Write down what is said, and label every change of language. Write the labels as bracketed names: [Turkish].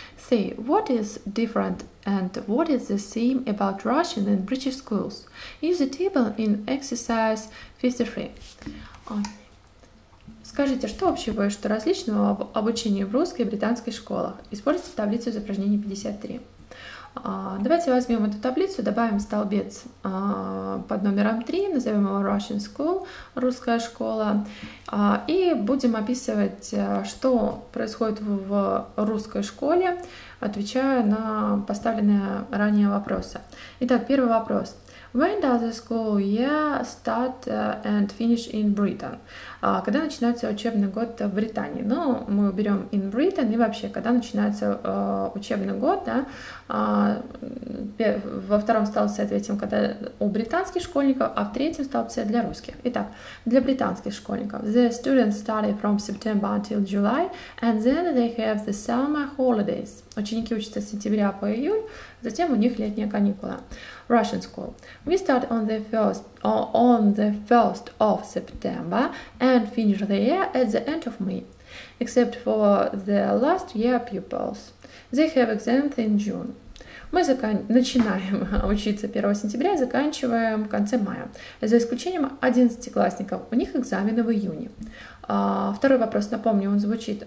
[English] Say, what is different and what is the same about Russian and British schools? Use the table in exercise 53. [Russian] Скажите, что общего и что различного в обучении в русской и британской школах? Используйте таблицу из упражнения 53. Давайте возьмем эту таблицу, добавим столбец под номером 3, назовем его Russian School, русская школа, и будем описывать, что происходит в русской школе, отвечая на поставленные ранее вопросы. Итак, первый вопрос. [English] When does the school year start and finish in Britain? [Russian] Когда начинается учебный год в Британии? Ну, мы уберем [English] in Britain [Russian] и вообще, когда начинается учебный год, да? Во втором столбце ответим, когда у британских школьников, а в третьем столбце для русских. Итак, для британских школьников. [English] The students study from September until July, and then they have the summer holidays. [Russian] Ученики учатся с сентября по июль, затем у них летняя каникула. [English] Russian school. We start on the first of September and finish the year at the end of May, except for the last year pupils. They have exams in June. [Russian] Мы начинаем учиться 1 сентября и заканчиваем в конце мая, за исключением 11-классников. У них экзамены в июне. Второй вопрос, напомню, он звучит.